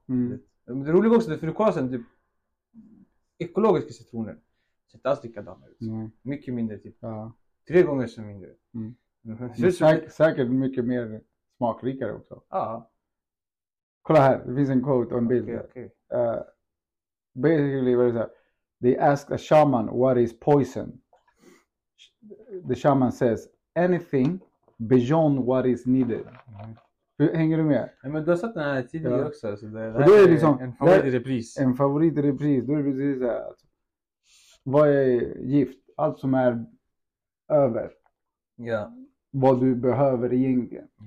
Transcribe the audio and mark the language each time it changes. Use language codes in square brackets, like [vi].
[sv] Men det roliga också, det är för du kollar sen, typ ekologiska citroner ser inte alls likadana ut. Nej. Mycket mindre, typ Ja. 3 gånger så mindre. Det Men ser ut som det. säkert mycket mer smakrikare också. Ja. Kolla här, det finns en quote och en bild Okej, här. okay, okej. Okay. Basically var det så här. [en] They ask a shaman what is poison. The shaman says anything beyond what is needed. [sv] Hur hänger du med? Men du har sett den här tidigare Ja. också, så det För då är här det är liksom, en där, favoritrepris. en favoritrepris, då är det precis såhär. Alltså, vad är gift? Allt som är över. Vad du behöver egentligen.